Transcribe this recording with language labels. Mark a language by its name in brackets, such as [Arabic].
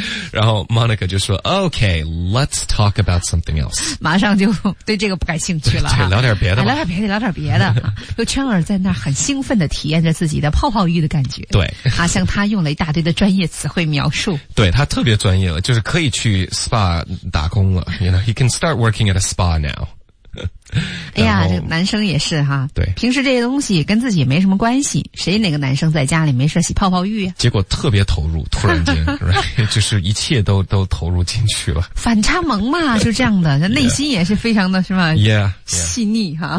[Chinese] 然后 Monica 就说 [English] OK, let's talk about something else. [Chinese] 马上就对这个不感兴趣了。对，聊点别的吧。聊点别的，聊点别的。又圈儿在那儿很兴奋地体验着自己的泡泡浴的感觉。对。他向他用了一大堆的专业词汇描述。对，他特别专业了，就是可以去 SPA 打工了。 [English] You know, he can start working at a SPA now. [Chinese] 哎呀，这男生也是哈。对。平时这些东西跟自己没什么关系，谁哪个男生在家里没事洗泡泡浴、啊、结果特别投入，突然间right, 就是一切都投入进去了。反差萌嘛，就这样的，内心也是非常的是吧 [English] yeah, [Chinese] 细腻哈。